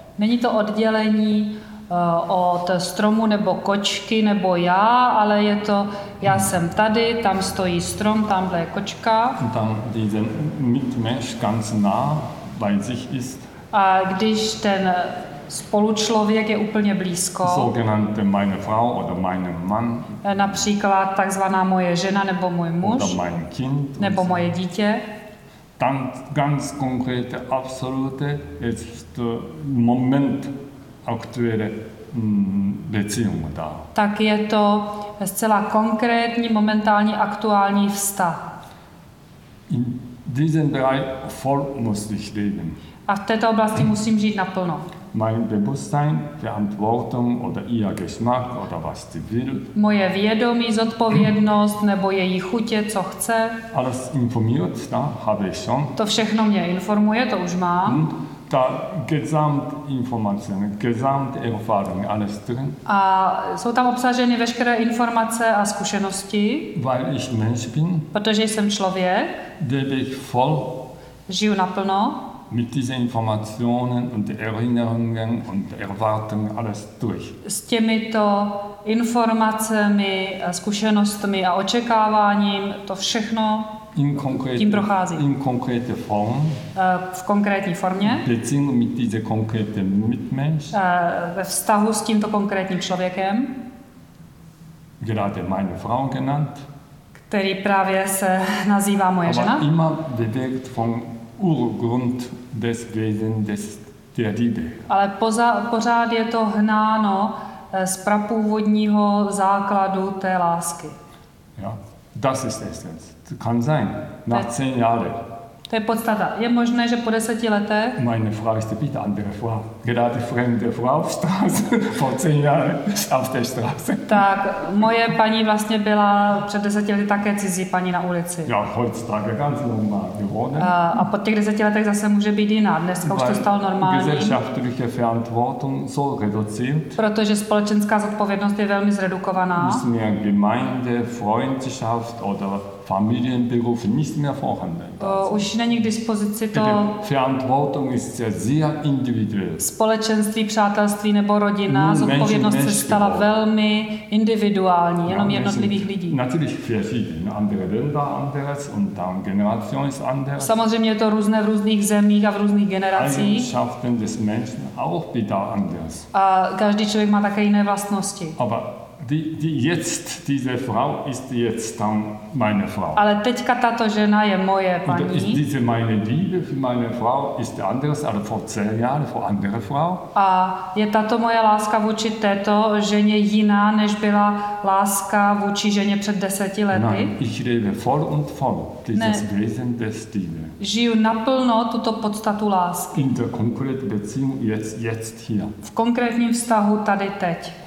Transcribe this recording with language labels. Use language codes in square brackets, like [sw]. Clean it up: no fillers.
[cs] Není to oddělení od stromu nebo kočky nebo já, ale je to já jsem tady, tam stojí strom, tamhle je kočka. [de] Und dann diesen Mitmensch ganz nah bei sich ist. [cs] A když ten spolučlověk je úplně blízko. [de] Sogenannte meine Frau oder mein Mann. [cs] Například takzvaná moje žena nebo můj muž. [de] Oder mein Kind. [cs] Nebo moje dítě. [de] Dann ganz konkrete, absolute, jetzt Moment aktuelle Beziehung da. [cs] Tak je to zcela konkrétní, momentální, aktuální vztah. [de] In diesen Bereich voll muss ich leben. [cs] A v této oblasti musím žít naplno. [de] Mein Bewusstsein, Verantwortung oder ihr Geschmack oder was sie will. [cs] Moje vědomí, zodpovědnost nebo její chutě, co chce. [de] Alles informiert, da habe ich schon. [cs] To všechno mě informuje, to už mám. [de] Da Gesamtinformationen, Gesamterfahrung, alles drin. [cs] A jsou tam obsaženy veškeré informace a zkušenosti. [de] Weil ich Mensch bin. [cs] Protože jsem člověk. [de] Lebe ich voll. [cs] Žiju naplno. [de] Mit diesen Informationen und Erinnerungen und Erwartungen alles durch. [cs] S těmito informacemi, zkušenostmi a očekáváním to všechno tím prochází. [de] In [cs] konkrétní [de] form. [cs] V konkrétní formě. [de] Beziehung mit diesem konkreten Mitmensch. [cs] Ve vztahu s tímto konkrétním člověkem. [de] Gerade meine Frau genannt. [cs] Který právě se nazývá moje žena. [de] Aber immer bewegt vom Urgrund des Wesen des der Liebe. [cs] Ale pořád je to hnáno z prapůvodního základu té lásky. [de] Ja, das ist Essenz. Kann sein. Nach 10 Jahre. [cs] To je podstata. Je možné, že po 10 letech. [de] Meine Frau ist bitte andere Frau. Gerade fremde Frau auf Straße vor 10 Jahren auf der Straße. [cs] Tak, moje paní vlastně byla před 10 lety také cizí paní na ulici. [de] Ja, heutzutage ganz normal geworden. [cs] A po těch 10 letech zase může být jiná. Dneska už to stalo normální. [de] Gesellschaftliche Verantwortung so reduziert. [cs] Protože společenská zodpovědnost je velmi zredukovaná. [de] Ist mehr Gemeinde, Freundschaft oder Familienberuf nicht mehr vorhanden. [cs] Už není k dispozici to. [de] Verantwortung ist sehr individuell. [cs] Společenství, přátelství nebo rodina, zodpovědnost se stala velmi individuální, jenom jednotlivých lidí. [de] Natürlich verschieden, andere Länder anders und dann Generation ist anders. [cs] Samozřejmě je to různé v různých zemích a v různých generacích. [de] Eigenschaften des Menschen auch wieder anders. [cs] A každý člověk má také jiné vlastnosti. [de] Aber jetzt diese Frau ist jetzt dann meine Frau. [cs] Ale teďka tato žena je moje paní. [de] Und diese meine Liebe für meine Frau ist anders als vor 10 Jahren vor andere Frau. [cs] A je tato moje láska vůči této ženě jiná než byla láska vůči ženě před 10 lety? [de] Nein, ich lebe voll und voll dieses Wesen des Liebe. [cs] Žiju naplno tuto podstatu lásky. [de] In der konkreten Beziehung jetzt hier. [cs] V konkrétním vztahu tady teď.